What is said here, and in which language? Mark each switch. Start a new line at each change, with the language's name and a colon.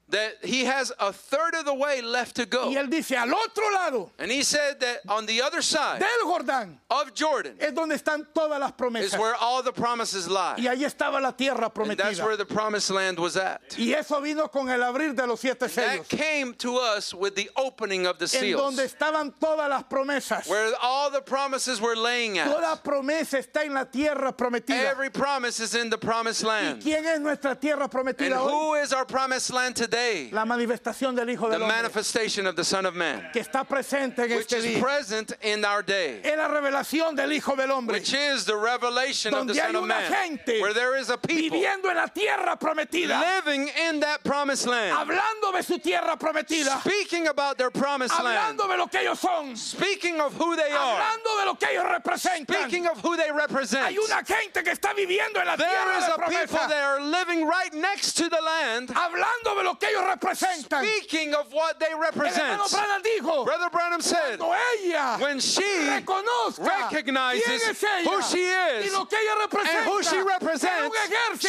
English: That he has a third of the way left to go.
Spanish: Y él dice al otro lado.
English: And he said that on the other side.
Spanish: Del Jordán.
English: Of Jordan.
Spanish: Es donde están todas las promesas.
English: Is where all the promises lie.
Spanish: Y ahí estaba la tierra prometida.
English: And that's where the promised land was at.
Spanish: Y eso vino con el abrir de los siete sellos.
English: That came to us with the opening of the seals.
Spanish: En donde estaban todas las promesas.
English: Where all the promises were laying at.
Spanish: Toda promesa está en la tierra prometida.
English: Every promise is in the promised land.
Spanish: ¿Y quién es nuestra tierra prometida
English: and
Spanish: hoy?
English: Who is our promised land today?
Spanish: La manifestación del Hijo del Hombre.
English: The manifestation of the Son of Man.
Spanish: Que está presente en este día.
English: Which is present in our day.
Spanish: Es la revelación del Hijo del Hombre.
English: Which is the revelation of the Son of Man.
Spanish: Donde hay una gente.
English: Where there is a people.
Spanish: Viviendo en la tierra prometida.
English: Living in that promised land.
Spanish: Hablando de su tierra prometida.
English: Speaking about their promised land.
Spanish: Hablando de lo que ellos son.
English: Speaking of who they are.
Spanish: Hablando de lo que ellos representan.
English: Speaking of who they represent.
Spanish: Hay una gente que está viviendo en la tierra de promesa.
English: There is a people that are living right next to the land.
Spanish: Hablando de lo que ellos representan.
English: Speaking of what they represent.
Spanish: Brother Branham dijo.
English: Brother Branham said. When she recognizes who she is.
Spanish: Y lo que ella representa.
English: And who she represents.
Spanish: Un ejército.